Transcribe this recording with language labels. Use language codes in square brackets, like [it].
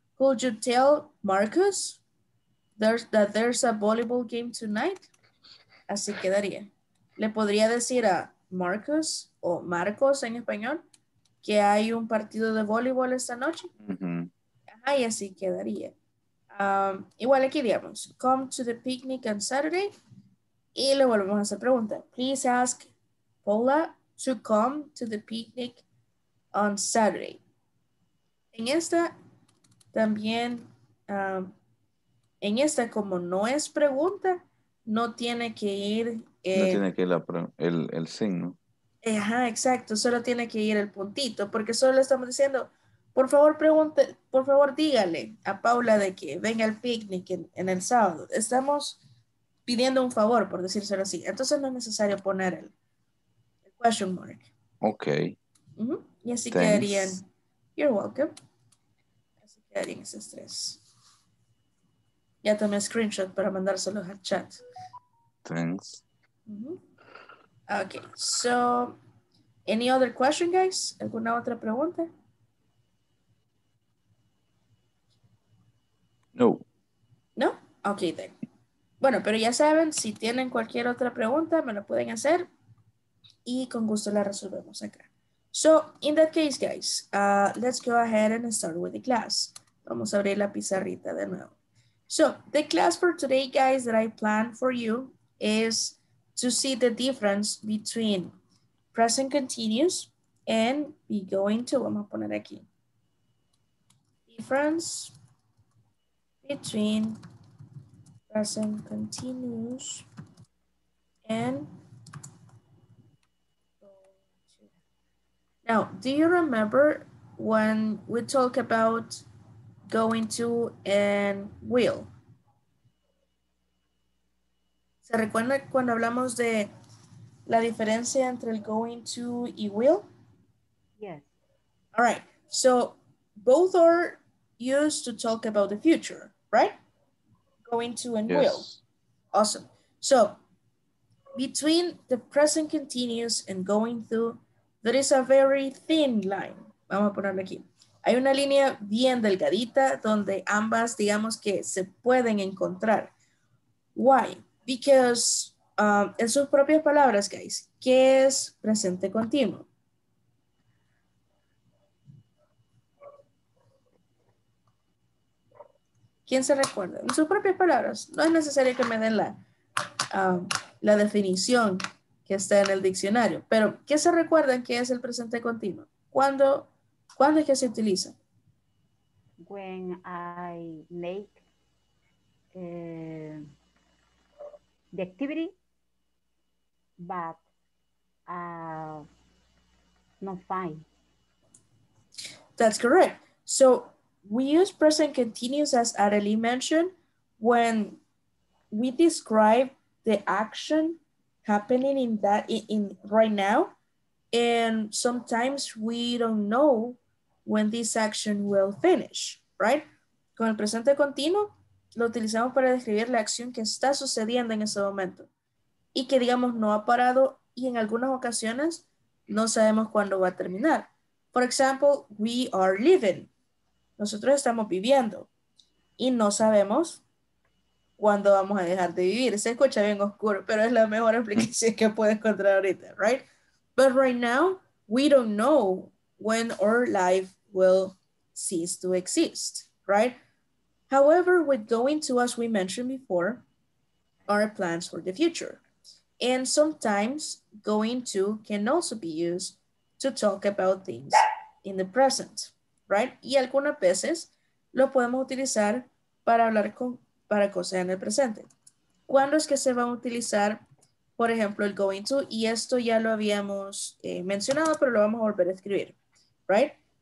[en] Could you tell Marcus that there's a volleyball game tonight? [es] Así quedaría. Le podría decir a Marcus o Marcos en español que hay un partido de voleibol esta noche. Ajá, y así quedaría. Igual aquí digamos, [en] come to the picnic on Saturday. [es] Y le volvemos a hacer pregunta. Please ask Paula to come to the picnic on Saturday. En esta también, en esta como no es pregunta, no tiene que ir. No tiene que ir el signo. Ajá, exacto. Solo tiene que ir el puntito porque solo estamos diciendo, por favor pregunte, por favor dígale a Paula de que venga al picnic en el sábado. Estamos pidiendo un favor, por decírselo así. Entonces no es necesario poner el question mark. Ok. Y así quedarían. [en] You're welcome. [es] Así quedarían esos tres. Ya tomé screenshot para mandárselos al chat. [en] Thanks. Ok. So, any other question, guys? [es] ¿Alguna otra pregunta? No. [en] No? Ok, then. [es] Bueno, pero ya saben, si tienen cualquier otra pregunta, me la pueden hacer y con gusto la resolvemos acá. [en] So, in that case, guys, let's go ahead and start with the class. [es] Vamos a abrir la pizarrita de nuevo. [en] So, the class for today, guys, that I planned for you is to see the difference between present continuous and be going to. [es] Vamos a poner aquí. [en] Difference between present continuous and going to. Now, do you remember when we talk about going to and will? [es] ¿Se recuerda cuando hablamos de la diferencia entre el going to y will? [en] Yes. All right. So, both are used to talk about the future, right? Going to and will. Yes. Awesome. So between the present continuous and going to, there is a very thin line. [es] Vamos a ponerlo aquí. Hay una línea bien delgadita donde ambas, digamos que se pueden encontrar. [en] Why? Because [es] en sus propias palabras, guys, ¿qué es presente continuo? ¿Quién se recuerda? En sus propias palabras. No es necesario que me den la definición que está en el diccionario. Pero, ¿qué se recuerda que es el presente continuo? ¿Cuándo es que se utiliza? [en] When I make the activity, but not fine. That's correct. So, we use present continuous, as Arely mentioned, when we describe the action happening in that in right now. And sometimes we don't know when this action will finish, right? [es] Con el presente continuo, lo utilizamos para describir la acción que está sucediendo en ese momento y que, digamos, no ha parado y en algunas ocasiones no sabemos cuándo va a terminar. [en] For example, we are living. [es] Nosotros estamos viviendo y no sabemos cuándo vamos a dejar de vivir. Se escucha bien oscuro, pero es la mejor explicación que puedo encontrar ahorita, right? [en] But right now, we don't know when our life will cease to exist, right? However, we're going to, as we mentioned before, our plans for the future. And sometimes going to can also be used to talk about things in the present, right? [es] Y algunas veces lo podemos utilizar para hablar con, para cosas en el presente. ¿Cuándo es que se va a utilizar, por ejemplo, el going to? Y esto ya lo habíamos mencionado, pero lo vamos a volver a escribir, right?